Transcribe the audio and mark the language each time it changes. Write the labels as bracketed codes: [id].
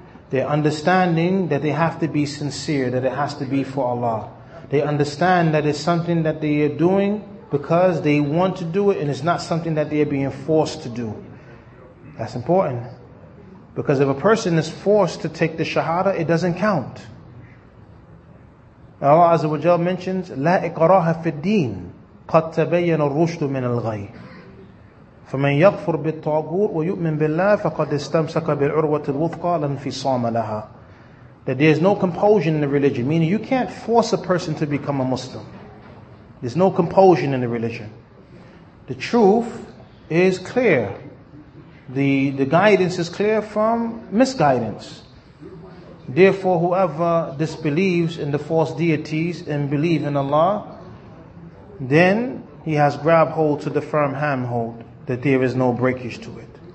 [en] They're understanding that they have to be sincere, that it has to be for Allah. They understand that it's something that they are doing because they want to do it, and it's not something that they are being forced to do. That's important. Because if a person is forced to take the shahada, it doesn't count. [ar] Allah Azza wa Jalla mentions, لا إقراها في الدين قد تبين الرشد من الغي فمن يغفر بالطاغوت ويؤمن بالله فقد استمسك بالعروة الوثقى لا انفصام لها. [en] That there is no compulsion in the religion. Meaning you can't force a person to become a Muslim. There's no compulsion in the religion. The truth is clear. The guidance is clear from misguidance. Therefore, whoever disbelieves in the false deities and believe in Allah, then he has grabbed hold to the firm handhold that there is no breakage to it.